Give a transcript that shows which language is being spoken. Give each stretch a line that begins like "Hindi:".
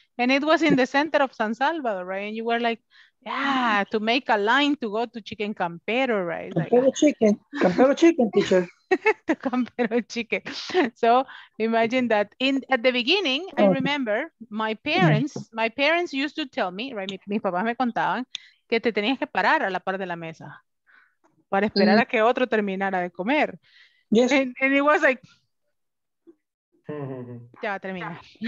English: And it was in the center of San Salvador, right? And you were like, yeah, to make a line to go to Chicken Campero, right? Campero chicken, teacher. So imagine that at the beginning, I remember my parents used to tell me, right?
Spanish: Mis papás me contaban que te tenías que parar a la par de la mesa para esperar a que otro terminara de comer.
English: Yes. And it was like,
Spanish: ya va a terminar.